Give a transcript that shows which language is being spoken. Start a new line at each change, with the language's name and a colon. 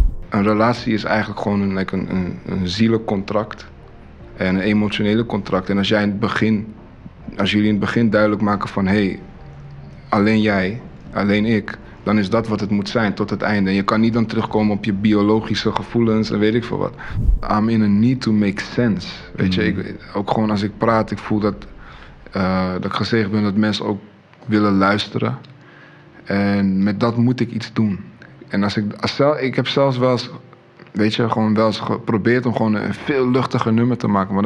Dutch: Een relatie is eigenlijk gewoon een zielencontract en een emotionele contract. En als jij in het begin, als jullie in het begin duidelijk maken van hey, alleen jij, alleen ik, dan is dat wat het moet zijn tot het einde. En je kan niet dan terugkomen op je biologische gevoelens en weet ik veel wat.
English: I'm in a need to make sense.
Dutch: Weet je, ook gewoon als ik praat, ik voel dat, dat ik gezegd ben dat mensen ook willen luisteren. En met dat moet ik iets doen. En ik heb zelfs wel eens, weet je, gewoon wel eens geprobeerd om gewoon een veel luchtiger nummer te maken.